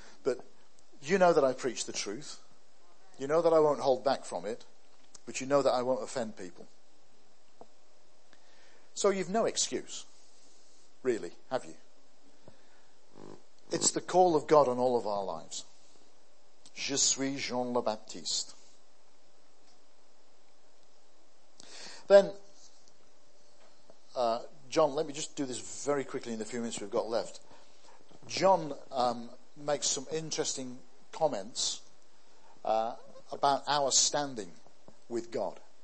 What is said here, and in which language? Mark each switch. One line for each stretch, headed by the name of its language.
English: But you know that I preach the truth. You know that I won't hold back from it. But you know that I won't offend people. So you've no excuse, really, have you? It's the call of God on all of our lives.
French: Je suis Jean le Baptiste.
English: Then, John, let me just do this very quickly in the few minutes we've got left. John makes some interesting comments about our standing with God.